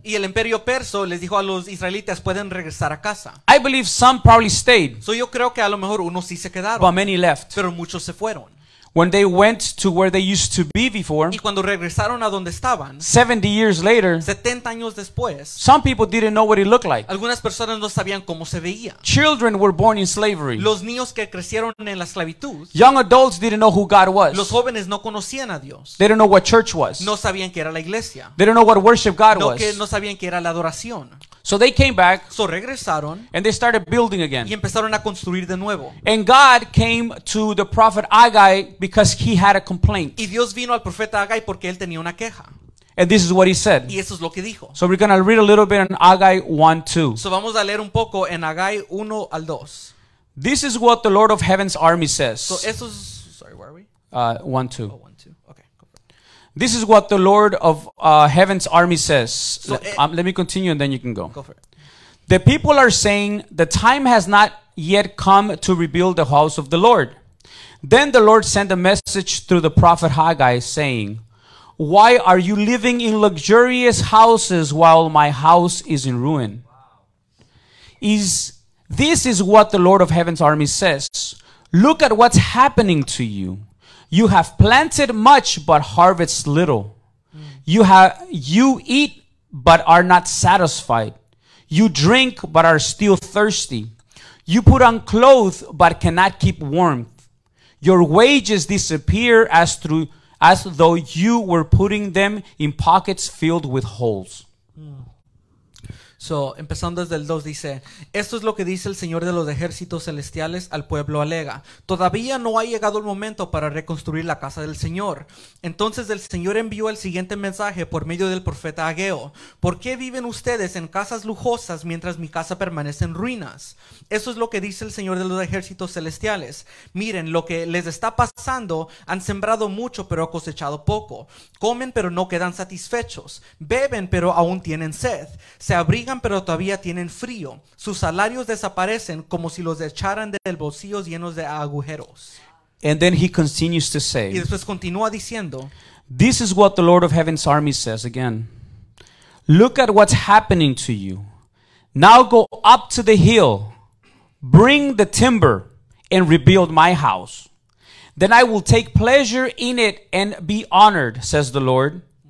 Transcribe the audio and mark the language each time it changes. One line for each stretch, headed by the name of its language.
Spanish: Y el imperio perso les dijo a los israelitas, "Pueden regresar a casa."
English: I believe some probably stayed.
Spanish: So yo creo que a lo mejor unos sí se quedaron.
English: But many left.
Spanish: Pero muchos se fueron.
English: When they went to where they used to be before,
Spanish: y cuando regresaron a donde estaban,
English: 70 years later,
Spanish: 70 años después,
English: some people didn't know what it looked like.
Spanish: Algunas personas no sabían cómo se veía.
English: Children were born in slavery.
Spanish: Los niños que crecieron en la esclavitud.
English: Young adults didn't know who God was.
Spanish: Los jóvenes no conocían a Dios.
English: They didn't know what church was.
Spanish: No sabían qué era la iglesia.
English: They didn't know what worship God was.
Spanish: No sabían qué era la adoración.
English: So they came back.
Spanish: So regresaron.
English: And they started building again.
Spanish: Y empezaron a construir de nuevo.
English: And God came to the prophet Haggai because he had a complaint.
Spanish: Y Dios vino al profeta Haggai porque él tenía una queja.
English: And this is what he said.
Spanish: Y eso es lo que dijo.
English: So we're going to read a little bit in Haggai 1:2.
Spanish: So vamos a leer un poco en Haggai 1 al 2.
English: This is what the Lord of Heaven's army says. So
Spanish: eso es,
English: sorry, where are we? 1:2. Oh, 1:2. This is what the Lord of Heaven's army says. Let me continue and then you can go. Go for it. The people are saying, the time has not yet come to rebuild the house of the Lord. Then the Lord sent a message through the prophet Haggai saying, why are you living in luxurious houses while my house is in ruin? Wow. This is what the Lord of Heaven's army says. Look at what's happening to you. You have planted much but harvest little. You eat but are not satisfied. You drink but are still thirsty. You put on clothes but cannot keep warmth. Your wages disappear as though you were putting them in pockets filled with holes.
Spanish: So, empezando desde el 2 dice, esto es lo que dice el Señor de los ejércitos celestiales al pueblo alega. Todavía no ha llegado el momento para reconstruir la casa del Señor. Entonces el Señor envió el siguiente mensaje por medio del profeta Haggai. ¿Por qué viven ustedes en casas lujosas mientras mi casa permanece en ruinas? Eso es lo que dice el Señor de los ejércitos celestiales. Miren lo que les está pasando. Han sembrado mucho pero han cosechado poco. Comen pero no quedan satisfechos. Beben pero aún tienen sed. Se abrigan pero todavía tienen frío. Sus salarios desaparecen como si los echaran del bolsillo llenos de agujeros.
English: And then he continues to say,
Spanish: y después continúa diciendo,
English: this is what the Lord of Heaven's army says again. Look at what's happening to you. Now go up to the hill, bring the timber and rebuild my house. Then I will take pleasure in it and be honored, says the Lord.